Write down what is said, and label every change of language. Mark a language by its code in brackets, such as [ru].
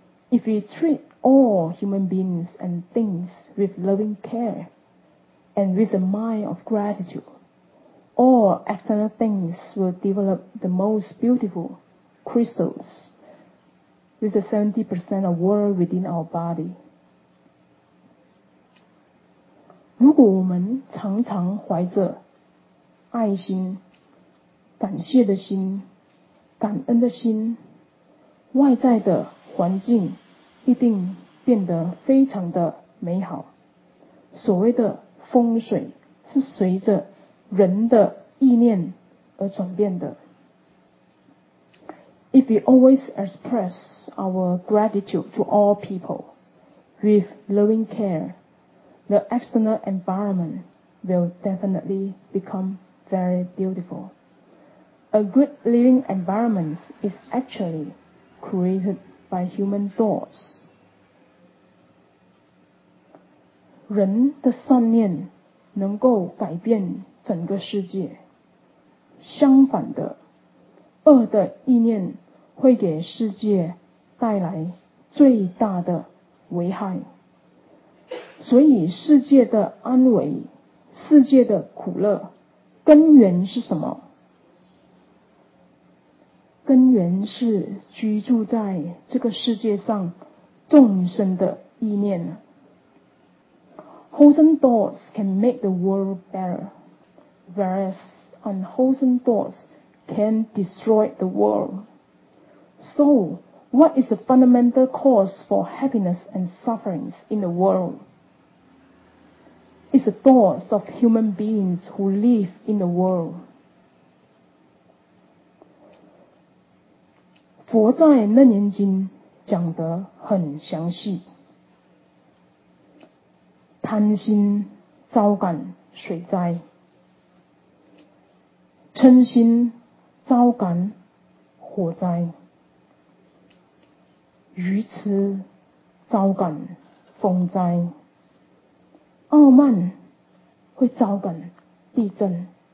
[en] If we treatAll human beings and things with loving care and with the mind of gratitude, all external things will develop the most beautiful crystals with the 70% of water within our body. [zh] 如果我们常常怀着爱心、感谢的心、感恩的心，外在的环境一定变得非常的美好。所谓的风水是随着人的意念而转变的。 [en] If we always express our gratitude to all people with loving care, the external environment will definitely become very beautiful. A good living environment is actually created by human thoughts. [zh] 人的善念能够改变整个世界。相反的，恶的意念会给世界带来最大的危害。所以世界的安危，世界的苦乐，根源是什么？根源是居住在这个世界上众生的意念。 [en] Wholesome thoughts can make the world better, whereas unwholesome thoughts can destroy the world. So, what is the fundamental cause for happiness and sufferings in the world? It's the thoughts of human beings who live in the world. [zh] 佛在《楞严经》讲得很详细。贪心招感水灾，嗔心招感火灾，愚痴招感风灾，傲慢会招感地震。